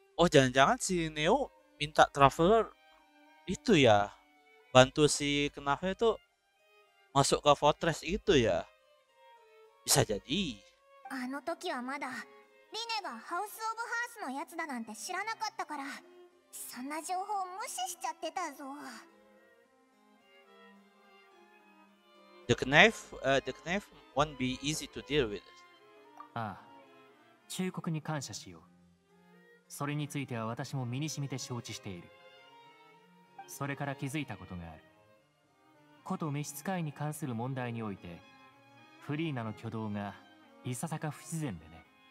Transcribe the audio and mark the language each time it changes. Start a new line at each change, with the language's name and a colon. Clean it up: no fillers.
Indonesian: jangan-jangan si Neo minta traveler itu ya bantu si Kenafe itu masuk ke fortress itu ya。 bisa jadi。
Japanese: あの時はまだリネがハウスオブハースのやつだなんて知らなかったから、そんな情報を無視しちゃってたぞ。
English: The knife won't be easy to deal with。
Japanese: ああ、忠告に感謝しよう。それについては私も身に染みて承知している。それから気づいたことがある。こと召使いに関する問題において、フリーナの挙動がいささか不自然でね。